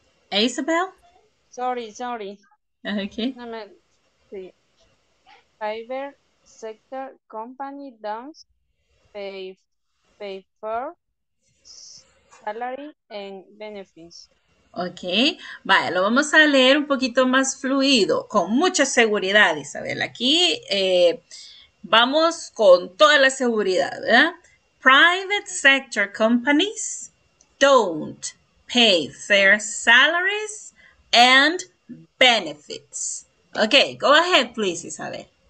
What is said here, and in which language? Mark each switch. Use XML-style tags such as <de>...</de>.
<en>Isabel? Sorry. Okay.</en> <es>No. Sí.</es> <en>Fiber sector company don't pay for salary and benefits.</en> <es>Ok, vale, lo vamos a leer un poquito más fluido, con mucha seguridad, Isabel. Aquí vamos con toda la seguridad, ¿verdad?</es> <en>Private sector companies don't pay fair salaries and benefits. Ok, go ahead, please, Isabel.</en>